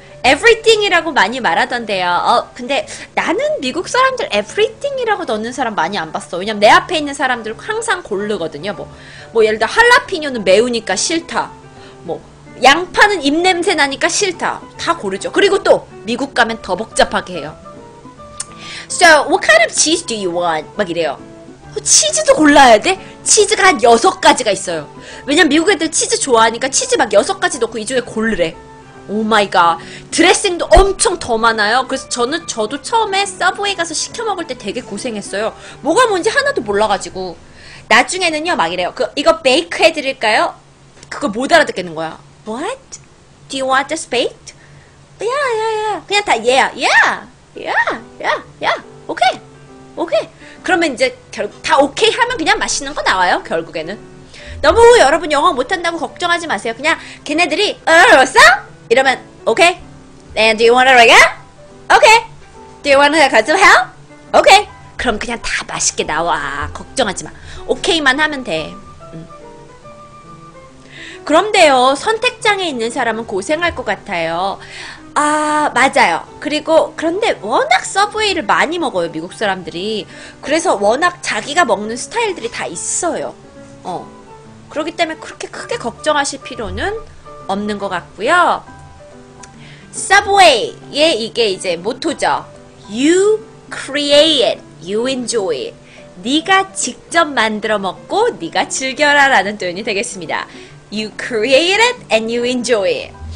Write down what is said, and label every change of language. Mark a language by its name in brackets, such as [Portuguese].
[Korean] Everything이라고 많이 말하던데요. 어, 근데 나는 미국 사람들 Everything이라고 넣는 사람 많이 안 봤어. 왜냐면 내 앞에 있는 사람들 항상 고르거든요. 뭐 예를 들어 할라피뇨는 매우니까 싫다. 뭐 양파는 입냄새 나니까 싫다. 다 고르죠. 그리고 또 미국 가면 더 복잡하게 해요. [English] So, what kind of cheese do you want? [Korean] 막 이래요. 어, 치즈도 골라야 돼? 치즈가 한 6가지가 있어요. 왜냐면 미국 애들 치즈 좋아하니까 치즈 막 6가지 넣고 이 중에 고르래. 오 마이 갓. 드레싱도 엄청 더 많아요. 그래서 저도 처음에 서브웨이 가서 시켜 먹을 때 되게 고생했어요. 뭐가 뭔지 하나도 몰라가지고. 나중에는요, 막 이래요. 이거 베이크 해드릴까요? 그걸 못 알아듣겠는 거야. [English] What? Do you want this baked? Yeah, yeah, yeah. [Korean] 그냥 다 [English] yeah, yeah. [Korean] 야, 야, 야, 오케이, 오케이. 그러면 이제 결국 다 오케이 하면 그냥 맛있는 거 나와요. 결국에는 너무 여러분 영어 못한다고 걱정하지 마세요. 그냥 걔네들이 알았어? 이러면 오케이. [English] Okay. And do you wanna like it? 오케이. Okay. Do you wanna get some help? [Korean] 오케이. [English] Okay. [Korean] 그럼 그냥 다 맛있게 나와. 걱정하지 마. 오케이만 하면 돼. 그런데요, 선택장에 있는 사람은 고생할 것 같아요. 아, 맞아요. 그리고 그런데 워낙 서브웨이를 많이 먹어요, 미국 사람들이. 그래서 워낙 자기가 먹는 스타일들이 다 있어요. 어. 그렇기 때문에 그렇게 크게 걱정하실 필요는 없는 것 같고요. 서브웨이의 이게 이제 모토죠. [English] You create it. You enjoy it. [Korean] 네가 직접 만들어 먹고 네가 즐겨라 라는 표현이 되겠습니다. [English] You create it and you enjoy it.